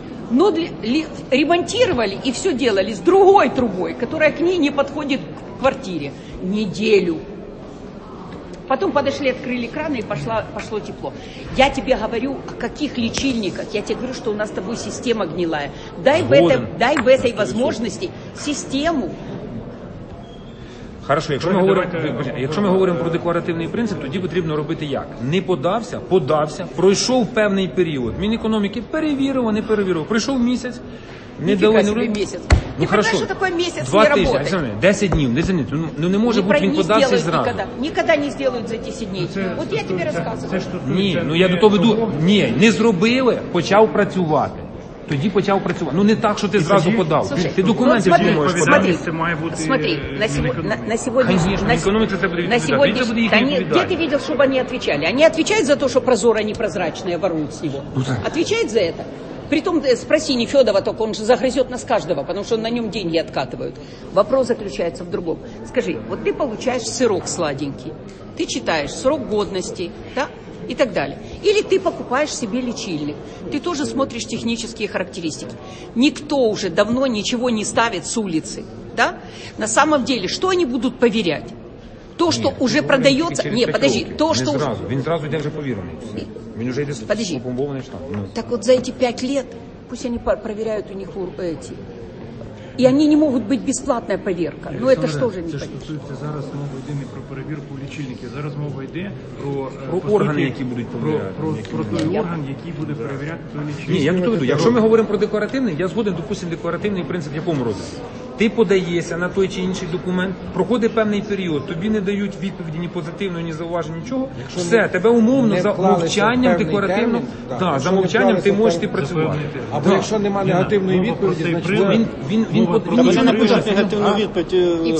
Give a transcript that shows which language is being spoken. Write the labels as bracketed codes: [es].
[ru] Но ремонтировали и все делали с другой трубой, которая к ней не подходит к квартире. Неделю. Потом подошли, открыли краны, и пошло тепло. Я тебе говорю, о каких лечильниках. Я тебе говорю, что у нас с тобой система гнилая. Дай в этой возможности систему. [uk] Хорошо, якщо ми говоримо про декларативний принцип, тоді потрібно робити як? Не подався, подався, пройшов певний період. Мінекономіки перевірило, не перевірило. Пройшов місяць. Не дали собі місяць. Ну, хорошо. Що таке місяць не роботи? 2 тижні, 10 днів, не знаю. Ну не може бути, він подався зразу. Ніколи не зроблять за 10 днів. От я тобі розказую. Ні, ну я до того веду. Ні, не зробили, почав працювати. Тоді почав працювати. Ну не так, що ти зразу подав. Ти документів не можеш подати. Смотри, на сьогодні. На сьогодні. Де ти бачив, щоб вони відповідали? Вони відповідають за те, що прозоро, непрозрачно, воруют з нього. Відповідають за це? [ru] Притом спроси Нефёдова, только он же загрызёт нас каждого, потому что на нём деньги откатывают. Вопрос заключается в другом. Скажи, вот ты получаешь сырок сладенький, ты читаешь срок годности, да, и так далее. Или ты покупаешь себе лечильник, ты тоже смотришь технические характеристики. Никто уже давно ничего не ставит с улицы, да. На самом деле, что они будут проверять? То, что нет, уже продается... Не, подожди, то, не что сразу. Уже... Он сразу идет уже поверенный. Он уже идет с упомбованной штангой. Так вот за эти 5 лет, пусть они проверяют у них эти... И они не могут быть бесплатная проверка. Но это что же не понятно? Это что-то сейчас мова идет не про проверку лечильника. Сейчас мова идет про органы, которые будут проверять. Про той орган, который будет проверять то лечильник. Не, я не то веду. Если мы говорим про декларативный, [uk] я згоден, [ru] допустим, декларативный принцип в каком роде? [uk] Ти подаєшся на той чи інший документ, проходить певний період, тобі не дають відповіді ні позитивної, ні зауваження, нічого. Якщо все, тебе умовно за мовчанням декларативно, за мовчанням ти можеш працювати. Або якщо немає негативної відповіді, значить він нічого не пише. Негативну відповідь